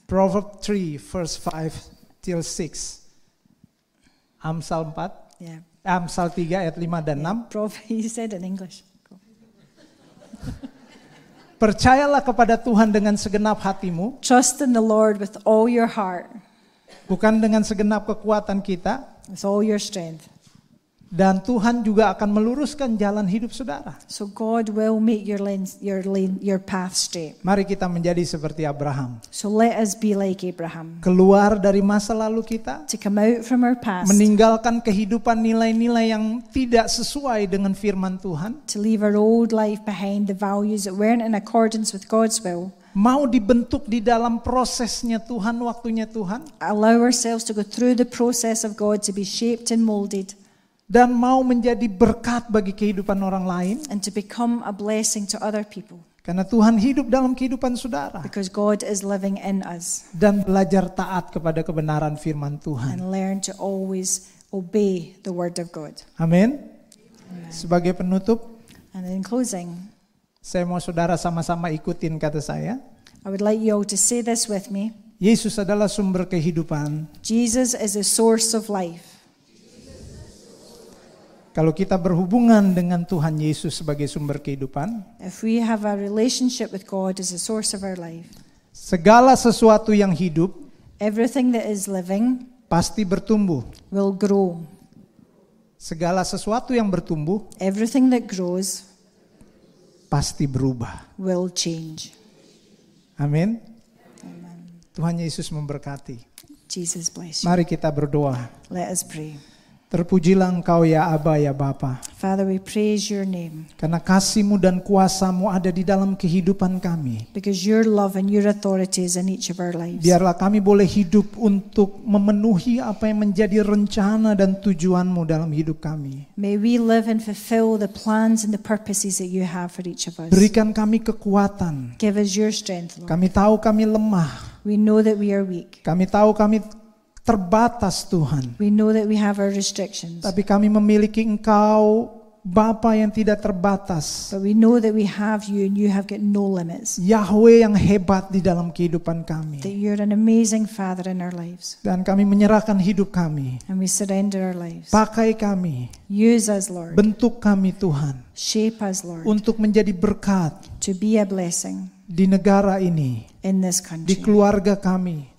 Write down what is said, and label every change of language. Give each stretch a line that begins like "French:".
English: Proverbs 3, verse 5 till 6. Amsal 4. Yeah.
Indonesian: Amsal 3 ayat 5 dan 6.
English: Proverbs, he said in English.
Indonesian: Percayalah kepada Tuhan dengan segenap hatimu.
English: Trust in the Lord with all your heart.
Indonesian: Bukan dengan segenap kekuatan kita.
English: With all your strength.
Indonesian: Dan Tuhan juga akan meluruskan jalan hidup saudara.
English: So God will make your path straight.
Indonesian: Mari kita menjadi seperti Abraham.
English: So let us be like Abraham.
Indonesian: Keluar dari masa lalu kita.
English: To come out from our past.
Indonesian: Meninggalkan kehidupan nilai-nilai yang tidak sesuai dengan firman Tuhan.
English: To leave our old life behind, the values that weren't in accordance with God's will.
Indonesian: Mau dibentuk di dalam prosesnya Tuhan, waktunya Tuhan.
English: Allow ourselves to go through the process of God to be shaped and molded.
Indonesian: Dan mau menjadi berkat bagi kehidupan orang lain.
English: And to become a blessing to other people.
Indonesian: Karena Tuhan hidup dalam kehidupan saudara.
English: Because God is living in us.
Indonesian: Dan belajar taat kepada kebenaran firman Tuhan.
English: And learn to always obey the word of God.
Indonesian: Amin. Sebagai penutup.
English: And in closing.
Indonesian: Saya mau saudara sama-sama ikutin kata saya.
English: I would like you all to say this with me.
Indonesian: Yesus adalah sumber kehidupan.
English: Jesus is a source of life.
Indonesian: Kalau kita berhubungan dengan Tuhan Yesus sebagai sumber kehidupan,
English: if we have a relationship with God as a source of our life,
Indonesian: segala sesuatu yang hidup,
English: everything that is living,
Indonesian: pasti bertumbuh,
English: will grow.
Indonesian: Segala sesuatu yang bertumbuh,
English: everything that grows,
Indonesian: pasti berubah,
English: will change.
Indonesian: Amin. Tuhan Yesus memberkati.
English: Jesus bless you.
Indonesian: Mari kita berdoa.
English: Let us pray.
Indonesian: Terpujilah Engkau ya Abba ya Bapa.
English: Father, we praise your name.
Indonesian: Karena kasih-Mu dan kuasa-Mu ada di dalam kehidupan kami.
English: Because your love and your authority is in each of our lives.
Indonesian: Biarlah kami boleh hidup untuk memenuhi apa yang menjadi rencana dan tujuan-Mu dalam hidup kami.
English: May we live and fulfill the plans and the purposes that you have for each of us.
Indonesian: Berikan kami kekuatan.
English: Give us your strength, Lord.
Indonesian: Kami tahu kami lemah.
English: We know that we are weak.
Indonesian: Kami tahu kami terbatas Tuhan.
English: We know that we have our restrictions.
Indonesian: Tapi kami memiliki Engkau Bapa yang tidak terbatas.
English: But we know that we have you and you have got no limits.
Indonesian: Yahweh yang hebat di dalam kehidupan kami.
English: That you're an amazing Father in our lives.
Indonesian: Dan kami menyerahkan hidup kami.
English: And we surrender our lives.
Indonesian: Pakai kami.
English: Use us, Lord.
Indonesian: Bentuk kami, Tuhan.
English: Shape us, Lord.
Indonesian: Untuk menjadi berkat.
English: To be a blessing.
Indonesian: Di negara ini.
English: In this country.
Indonesian: Di keluarga kami.